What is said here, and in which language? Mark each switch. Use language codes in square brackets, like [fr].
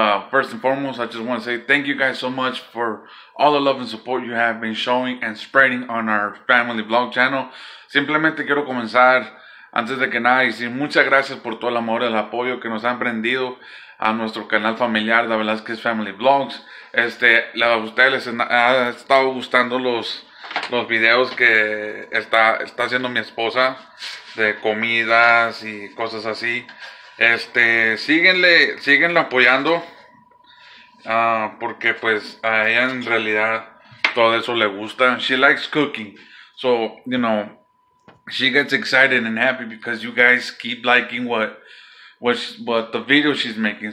[en] First and foremost, I just want to say thank you guys so much for all the love and support you have been showing and spreading on our family vlog channel. [es] Simplemente quiero comenzar antes de que nada y decir muchas gracias por todo el amor y el apoyo que nos han brindado a nuestro canal familiar de Velasquez Family Vlogs. A ustedes les ha estado gustando los videos que está haciendo mi esposa de comidas y cosas así. Síguenle apoyando porque pues a ella en realidad todo eso le gusta. [en] She likes cooking. So, you know, she gets excited and happy because you guys keep liking what the video she's making.